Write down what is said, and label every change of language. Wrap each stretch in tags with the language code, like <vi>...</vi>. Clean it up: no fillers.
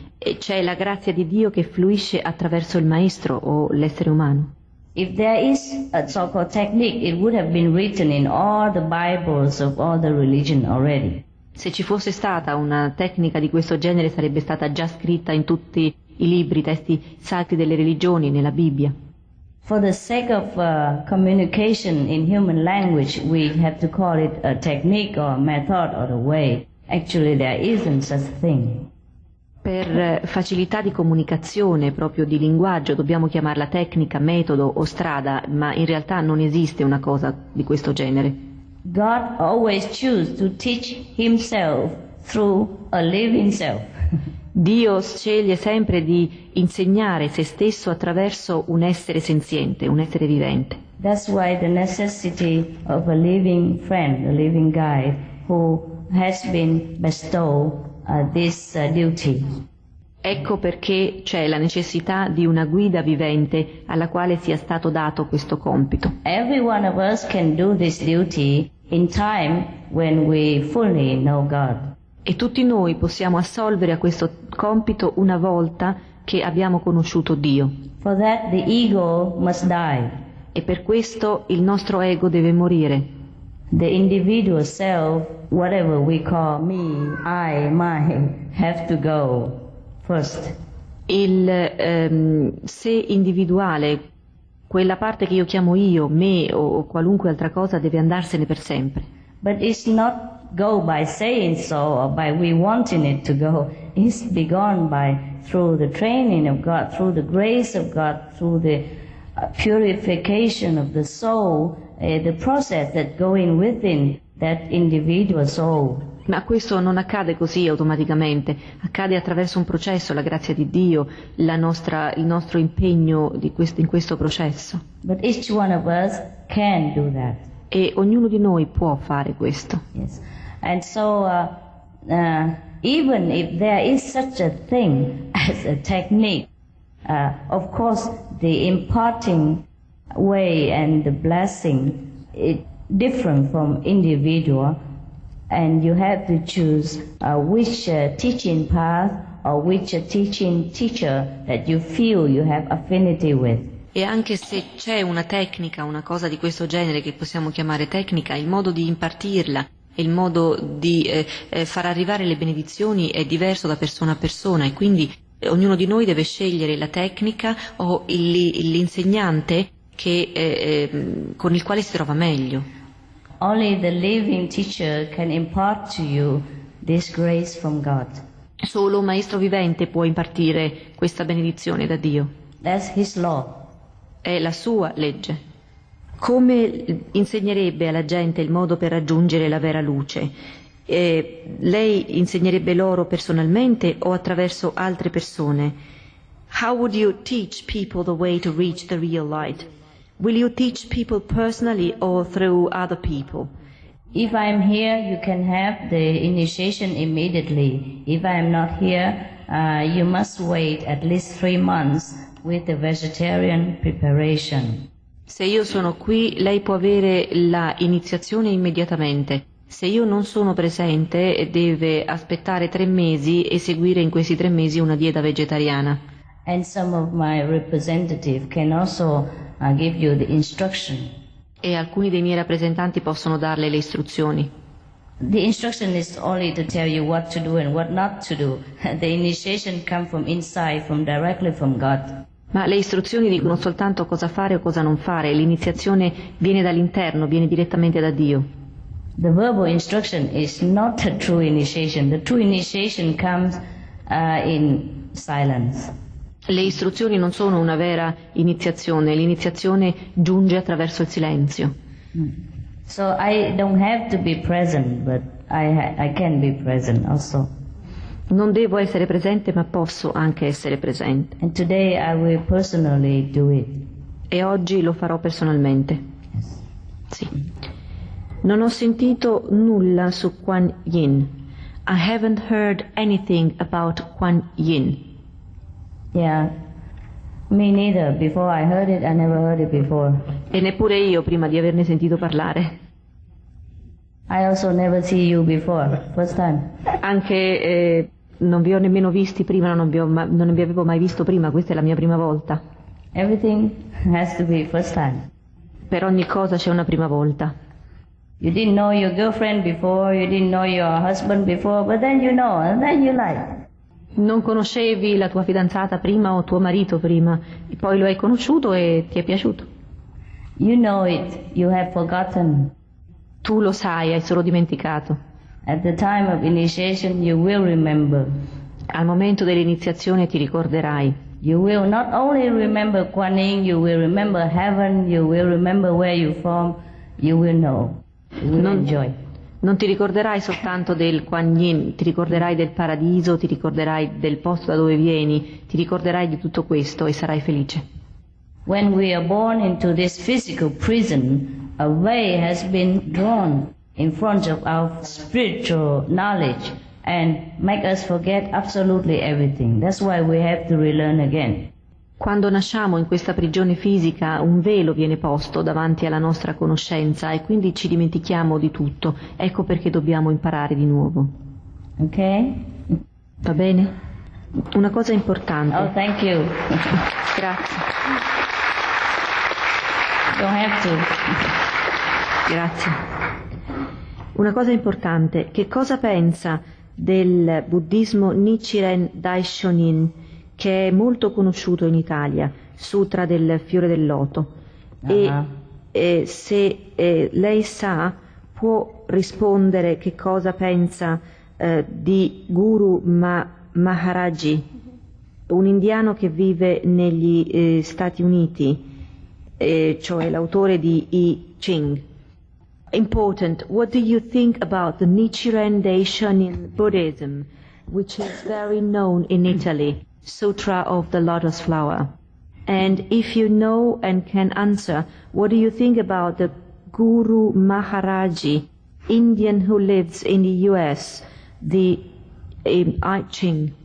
<it>E c'è la grazia di Dio che fluisce attraverso il maestro o l'essere umano.</it> <en>If there is a so-called technique, it would have been written in all the Bibles of all the religion already.</en> <it>Se ci fosse stata una tecnica di questo genere, sarebbe stata già scritta in tutti i libri, i testi sacri delle religioni, nella Bibbia.</it> <en>For the sake of communication in human language, we have to call it a technique or a method or a way. Actually, there isn't such a thing.</en> <it>Per facilità di comunicazione, proprio di linguaggio, dobbiamo chiamarla tecnica, metodo o strada, ma in realtà non esiste una cosa di questo genere.</it> <en>God always choose to teach himself through a living self.</en> <it>Dio sceglie sempre di insegnare se stesso attraverso un essere senziente, un essere vivente.</it> <en>That's why the necessity of a living friend, a living guide who has been bestowed this duty.</en> <it>Ecco perché c'è la necessità di una guida vivente alla quale sia stato dato questo compito.</it> <en>Every one of us can do this duty in time when we fully know God.</en> <it>E tutti noi possiamo assolvere a questo compito una volta che abbiamo conosciuto Dio.</it> <en>For that the ego must die.</en> <it>E per questo il nostro ego deve morire.</it> <en>The individual self, whatever we call me, I, mine, have to go first.</en> <it>Il sé individuale, quella parte che io chiamo io, me o qualunque altra cosa, deve andarsene per sempre.</it> <en>But it's not go by saying so or by we wanting it to go. It's be gone by through the training of God, through the grace of God, through the purification of the soul, the process that going within that individual soul.</en> <it>Ma questo non accade così automaticamente, accade attraverso un processo, la grazia di Dio, la nostra, il nostro impegno di questo, in questo processo.</it> <en>But each one of us can do that.</en> <it>E ognuno di noi può fare questo.</it> <en>Yes. And so even if there is such a thing as a technique, of course the imparting way and the blessing is different from individual, and you have to choose which teaching path or which teaching teacher that you feel you have affinity with.</en> <it>E anche se c'è una tecnica, una cosa di questo genere che possiamo chiamare tecnica, il modo di impartirla, il modo di far arrivare le benedizioni è diverso da persona a persona, e quindi ognuno di noi deve scegliere la tecnica o l'insegnante che, con il quale si trova meglio.</it> <en>Only the living teacher can impart to you this grace from God.</en> <it>Solo un maestro vivente può impartire questa benedizione da Dio.</it> <en>That's his law.</en> <it>È la sua legge. Come insegnerebbe alla gente il modo per raggiungere la vera luce? Lei insegnerebbe loro personalmente o attraverso altre persone?</it> <en>How would you teach people the way to reach the real light? Will you teach people personally or through other people? If I am here, you can have the initiation immediately. If I am not here, you must wait at least 3 months with the vegetarian preparation.</en> <it>Se io sono qui, lei può avere la iniziazione immediatamente. Se io non sono presente, deve aspettare 3 mesi e seguire in questi 3 mesi una dieta vegetariana.</it> <en>And some of my representatives can also give you the instruction.</en> <it>E alcuni dei miei rappresentanti possono darle le istruzioni.</it> <en>The instruction is only to tell you what to do and what not to do. The initiation comes from inside, from directly from God.</en> <it>Ma le istruzioni dicono soltanto cosa fare o cosa non fare. L'iniziazione viene dall'interno, viene direttamente da Dio.</it> <en>The verbal instruction is not a true initiation. The true initiation comes in silence.</en> <it>Le istruzioni non sono una vera iniziazione. L'iniziazione giunge attraverso il silenzio.</it> <en>So I don't have to be present, but I can be present also.</en> <it>Non devo essere presente, ma posso anche essere presente.</it> <en>And today I will personally do it.</en> <it>E oggi lo farò personalmente.</it> <en>Yes.</en> <it>Sì. Non ho sentito nulla su Kuan Yin.</it> <en>I haven't heard anything about Kuan Yin. Yeah, me neither. Before I heard it, I never heard it before.</en> <it>E neppure io prima di averne sentito parlare.</it> <en>I also never see you before, first time.</en> <it>Anche non vi ho nemmeno visti prima, non vi avevo mai visto prima, questa è la mia prima volta.</it> <en>Everything has to be first time.</en> <it>Per ogni cosa c'è una prima volta.</it> <en>You didn't know your girlfriend before, you didn't know your husband before, but then you know, and then you like.</en> <it>Non conoscevi la tua fidanzata prima o tuo marito prima, e poi lo hai conosciuto e ti è piaciuto.</it> <en>You know it, you have forgotten.</en> <it>Tu lo sai, hai solo dimenticato.</it> <en>At the time of initiation you will remember.</en> <it>Al momento dell'iniziazione ti ricorderai.</it> <en>You will not only remember Kuan Yin, you will remember heaven, you will remember where you from, you will know. You will enjoy.</en> <it>Non ti ricorderai soltanto del Kuan Yin, ti ricorderai del paradiso, ti ricorderai del posto da dove vieni, ti ricorderai di tutto questo e sarai felice.</it> <en>When we are born into this physical prison, a way has been drawn in front of our spiritual knowledge and make us forget absolutely everything. That's why we have to relearn again.</en> <it>Quando nasciamo in questa prigione fisica, un velo viene posto davanti alla nostra conoscenza e quindi ci dimentichiamo di tutto. Ecco perché dobbiamo imparare di nuovo.</it> <en>Ok?</en> <it>Va bene? Una cosa importante.</it> <en>Oh, thank you.</en> <it>Grazie.</it> <en>Don't have to.</en> <it>Grazie. Una cosa importante. Che cosa pensa del buddismo Nichiren Daishonin, che è molto conosciuto in Italia, Sutra del Fiore del Loto? Uh-huh. E se lei sa, può rispondere che cosa pensa di Guru Maharaji, un indiano che vive negli Stati Uniti, cioè l'autore di I Ching.</it> <en>Important. What do you think about the Nichiren Daishonin Buddhism, which is very known in Italy? Sutra of the Lotus Flower. And if you know and can answer, what do you think about the Guru Maharaji, Indian who lives in the US, the I Ching?</en>